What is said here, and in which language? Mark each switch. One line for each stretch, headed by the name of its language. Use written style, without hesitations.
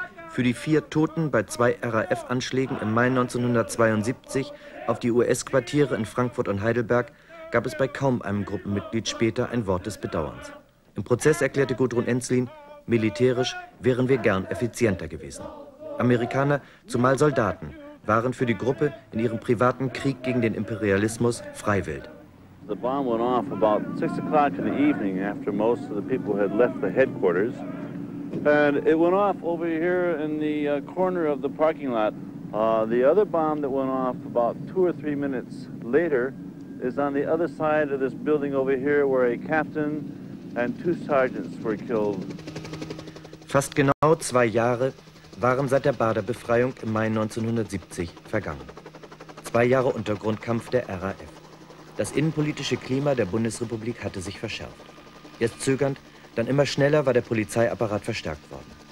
German: Für die 4 Toten bei 2 RAF-Anschlägen im Mai 1972 auf die US-Quartiere in Frankfurt und Heidelberg gab es bei kaum einem Gruppenmitglied später ein Wort des Bedauerns. Im Prozess erklärte Gudrun Enslin, militärisch wären wir gern effizienter gewesen. Amerikaner, zumal Soldaten, waren für die Gruppe in ihrem privaten Krieg gegen den Imperialismus Freiwild.
English: The bomb went off about 6 o'clock in the evening after most of the people had left the headquarters. And it went off over here in the corner of the parking lot. The other bomb that went off about 2 or 3 minutes later is on the other side of this building over here, where a captain and 2 sergeants were killed.
German: Fast genau 2 Jahre waren seit der Baderbefreiung im Mai 1970 vergangen. 2 Jahre Untergrundkampf der RAF. Das innenpolitische Klima der Bundesrepublik hatte sich verschärft. Jetzt zögernd, dann immer schneller war der Polizeiapparat verstärkt worden.